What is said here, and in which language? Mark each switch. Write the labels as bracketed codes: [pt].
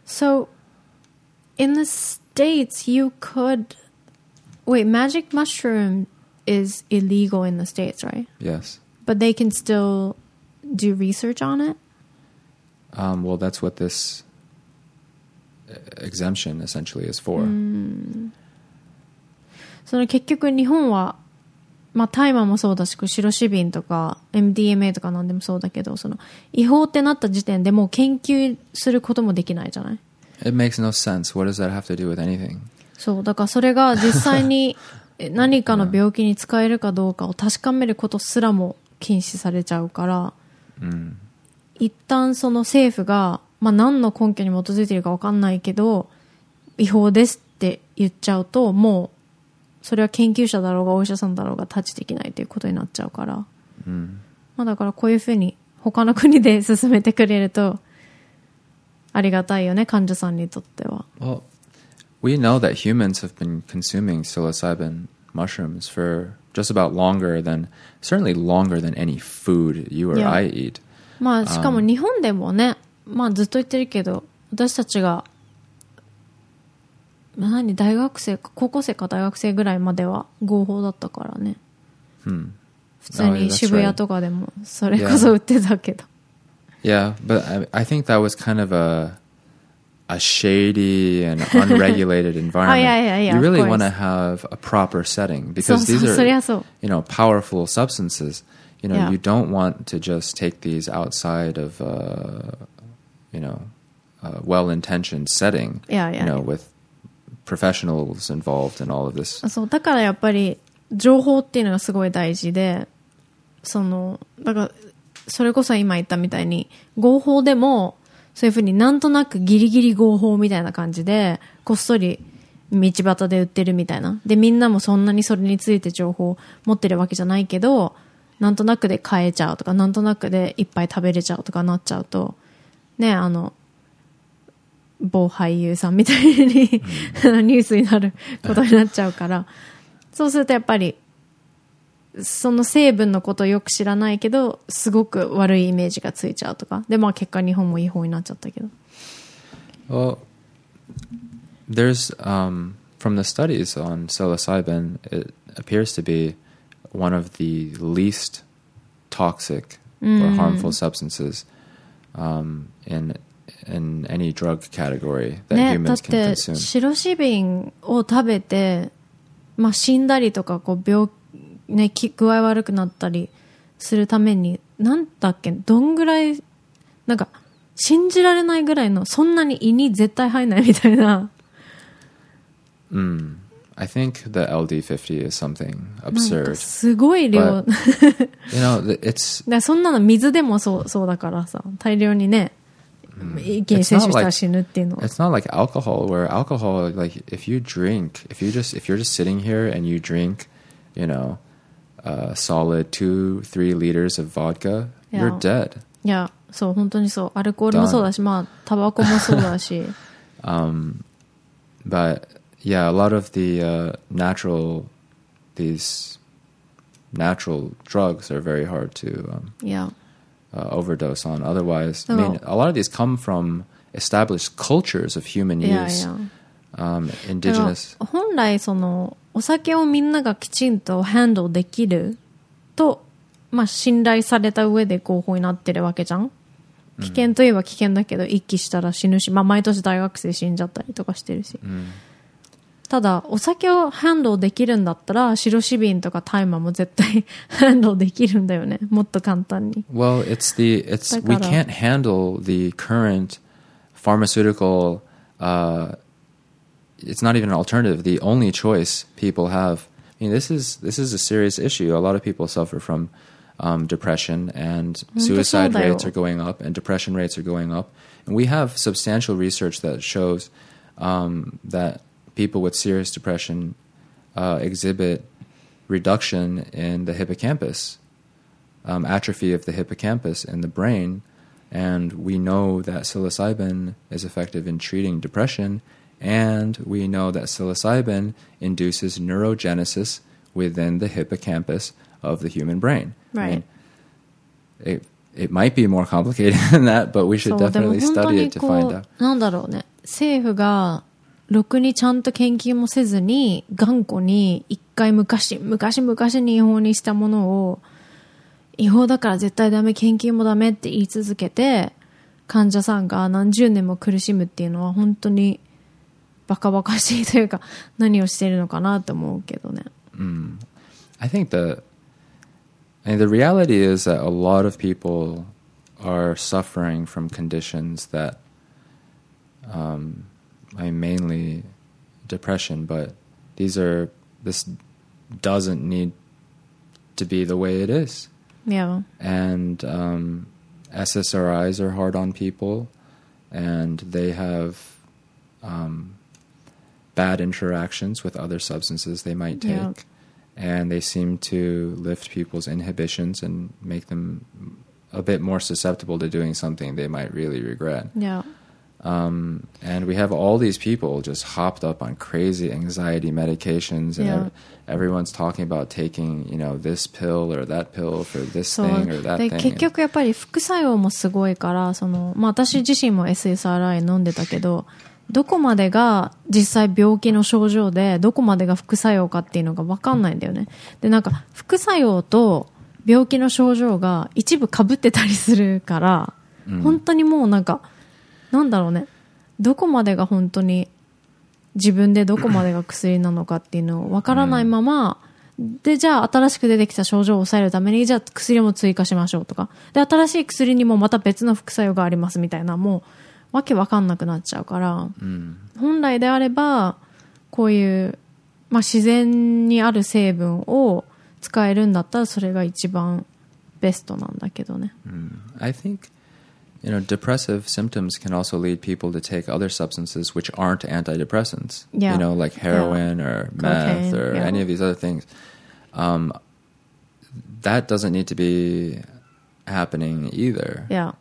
[en] So, in the States, you could wait. Magic mushroom. Is illegal in the States, right? Yes. But they can still do research on it? Well, that's what this exemption essentially is for. [ja] その結局日本は、まあ、大麻もそうだし、シロシビンとか MDMA とか何でもそうだけど、その違法ってなった時点でもう研究することもできないじゃない? [en] It makes no sense. What does that have to do with anything? [ja] そう、だからそれが実際に何かの病気に使えるかどうかを確かめることすらも禁止されちゃうから、うん、一旦その政府が、まあ、何の根拠に基づいているか分かんないけど違法ですって言っちゃうと、もうそれは研究者だろうがお医者さんだろうが太刀できないということになっちゃうから、うん、まあ、だからこういうふうに他の国で進めてくれるとありがたいよね、患者さんにとっては。 [en] We know that humans have been consuming psilocybin mushrooms for just about longer than, certainly longer than any food you or、yeah. I eat. [ja] まあしかも日本でもね、まあずっと言ってるけど、私たちが、まあ、何、大学生か高校生か大学生ぐらいまでは合法だったからね。普通に渋谷とかでもそれこそ売ってたけど。 [en] Yeah, but I think that was kind of a shady and unregulated environment. You really want to have a proper setting because so, these so, are, so. You know, powerful substances. You know,、yeah. you don't want to just take these outside of, you know, a well-intentioned setting, you know, with professionals involved and all of this. [ja] So, だからやっぱり情報っていうのがすごい大事で、そのだからそれこそ今言ったみたいに合法でもそういうふうになんとなくギリギリ合法みたいな感じでこっそり道端で売ってるみたいな、でみんなもそんなにそれについて情報持ってるわけじゃないけど、なんとなくで買えちゃうとか、なんとなくでいっぱい食べれちゃうとかなっちゃうとね、あの某俳優さんみたいにニュースになることになっちゃうから、そうするとやっぱりその成分のことをよく知らないけどすごく悪いイメージがついちゃうとかで、まあ結果日本も違法になっちゃったけど。 [en] Well, there's from the studies on psilocybin, it appears to be one of the least toxic or harmful substances in any drug category that humans can consume. [ja] だってシロシビンを食べて、まあ、死んだりとかこう病、ね、具合悪くなったりするためになんだっけどんぐらいなんか信じられないぐらいのそんなに胃に絶対入んないみたいな。 [en] I think the LD50 is something absurd. [ja] すごい量。 [en] But, you know, it's. [ja] だそんなの水でもそうだからさ、大量にね、一気に摂取したら死ぬっていうの。 [en] It's not like alcohol, where alcohol, like if you drink, if you're just sitting here and you drink, you know, a solid 2-3 liters of vodka, you're dead. [ja] Yeah, そう本当にそう。アルコールもそうだし、まあタバコもそうだし。 [en] But yeah, a lot of the these natural drugs are very hard to overdose on. Otherwise, I mean, a lot of these come from established cultures of human use. Yeah, yeah. Indigenous. [ja] 本来そのお酒をみんながきちんとハンドルできると、まあ信頼された上で合法になってるわけじゃん。危険といえば危険だけど、一気したら死ぬし、まあ毎年大学生死んじゃったりとかしてるし。ただお酒をハンドルできるんだったら白シビンとかタイマーも絶対ハンドルできるんだよね。もっと簡単に。 [en] Well, it's we can't handle the current pharmaceutical. It's not even an alternative. The only choice people have. I mean, this is a serious issue. A lot of people suffer from depression and suicide rates are going up, and depression rates are going up. And we have substantial research that shows that. People with serious depression exhibit reduction in the hippocampus, atrophy of the hippocampus in the brain, and we know that psilocybin is effective in treating depression, and we know that psilocybin induces neurogenesis within the hippocampus of the human brain. Right. I mean, it might be more complicated than that, but we should definitely study it to find out. [ja] なんだろうね。政府がろくにちゃんと研究もせずに頑固に一回昔に違法にしたものを違法だから絶対ダメ研究もダメって言い続けて患者さんが何十年も苦しむっていうのは本当にバカバカしいというか何をしているのかなと思うけどね。 [en] I think the reality is that a lot of people are suffering from conditions that I mean, mainly depression, but this doesn't need to be the way it is. Yeah. And SSRIs are hard on people, and they have bad interactions with other substances they might take, and they seem to lift people's inhibitions and make them a bit more susceptible to doing something they might really regret. Yeah. And we have all these people just hopped up on crazy anxiety medications, and everyone's talking about taking, you know, this pill or that pill for this thing or that thing. [ja] 結局やっぱり副作用もすごいから、その、まあ、私自身も SSRI 飲んでたけど、どこまでが実際病気の症状で、どこまでが副作用かっていうのが分かんないんだよね。で、なんか副作用と病気の症状が一部被ってたりするから、本当にもうなんか。なんだろうね。どこまでが本当に自分でどこまでが薬なのかっていうのを分からないまま、で、じゃあ新しく出てきた症状を抑えるために、じゃあ薬も追加しましょうとか。で、新しい薬にもまた別の副作用がありますみたいな、もう、わけ分かんなくなっちゃうから、本来であれば、こういう、まあ、自然にある成分を使えるんだったら、それが一番ベストなんだけどね。 [en] I think... You know, depressive symptoms can also lead people to take other substances which aren't antidepressants. Yeah. You know, like heroin or meth or any of these other things. That doesn't need to be happening either. Yeah.